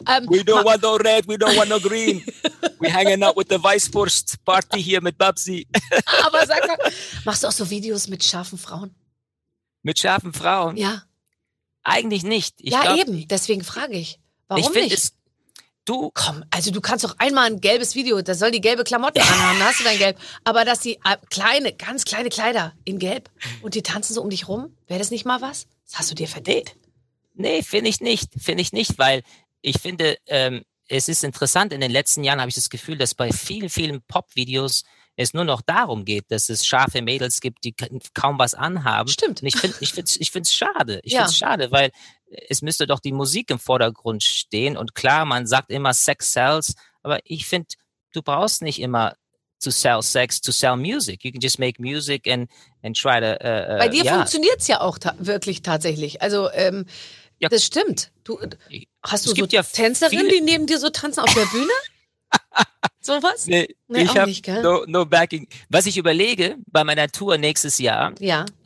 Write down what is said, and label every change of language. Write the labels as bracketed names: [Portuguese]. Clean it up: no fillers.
[English] We don't want no red, we don't want no green. We're hanging out with the Weißwurst Party here [German] mit Babsi. Aber sag mal, machst du auch so Videos mit scharfen Frauen? Mit scharfen Frauen? Ja. Eigentlich nicht. Deswegen frage ich. Warum ich nicht? Du kannst doch einmal ein gelbes Video, da soll die gelbe Klamotten anhaben, da hast du dein Gelb. Aber dass die kleine, ganz kleine Kleider in Gelb und die tanzen so um dich rum, wäre das nicht mal was? Das hast du dir verdient? Nee, finde ich nicht, weil ich finde, es ist interessant, in den letzten Jahren habe ich das Gefühl, dass bei vielen, vielen Pop-Videos es nur noch darum geht, dass es scharfe Mädels gibt, die kaum was anhaben. Stimmt. Und ich finde es schade, weil es müsste doch die Musik im Vordergrund stehen. Und klar, man sagt immer Sex sells, aber ich finde, du brauchst nicht immer [English] to sell sex, to sell music. You can just make music and try to... [German] Bei dir funktioniert es ja auch wirklich tatsächlich. Also, ja, das stimmt. Hast du so Tänzerinnen, die neben dir so tanzen auf der Bühne? Sowas? Nee, ich auch nicht, gell? [English] No backing. [German] Was ich überlege bei meiner Tour nächstes Jahr, ja.